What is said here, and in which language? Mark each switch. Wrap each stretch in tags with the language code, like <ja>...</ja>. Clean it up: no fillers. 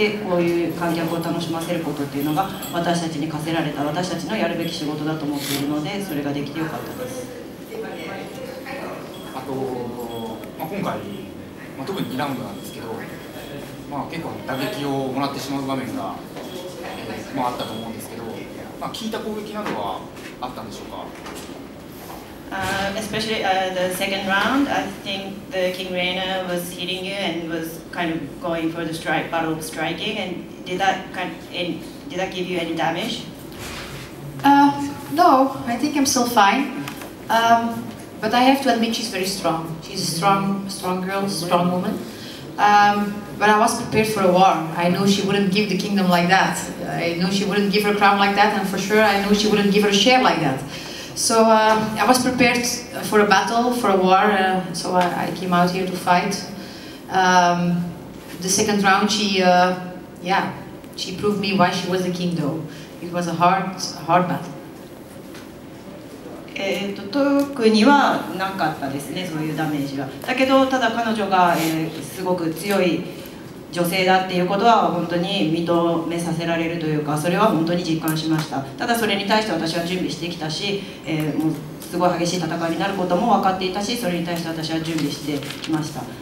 <ja>でこういう観客を楽しませることっていうのが私たちに課せられた私たちのやるべき仕事だと思っているので、それができてよかったです。あと、まあ、今回、まあ、特に2ラウンドなんですけど、まあ、結構打撃をもらってしまう場面が、まあ、あったと思うんですけど、まあ、効いた攻撃などはあったんでしょうか？</ja> <en>Especially the second round, I think the King Reyna was hitting you and was kind of going for the strike, battle of striking, and did that give you any damage? No, I think I'm still fine. But I have to admit she's very strong. She's a strong girl, strong woman. But I was prepared for a war. I know she wouldn't give the kingdom like that. I know she wouldn't give her crown like that, and for sure I know she wouldn't give her share like that. So I was prepared for a battle, for a war, so I came out here to fight. The second round, she proved me why she was the king, though. It was a hard battle.</en> <ja>と特にはなかったですね、そういうダメージは。だけど、ただ彼女が、すごく強い女性だっていうことは本当に認めさせられるというか、それは本当に実感しました。ただそれに対して私は準備してきたし、もうすごい激しい戦いになることも分かっていたし、それに対して私は準備してきました。</ja>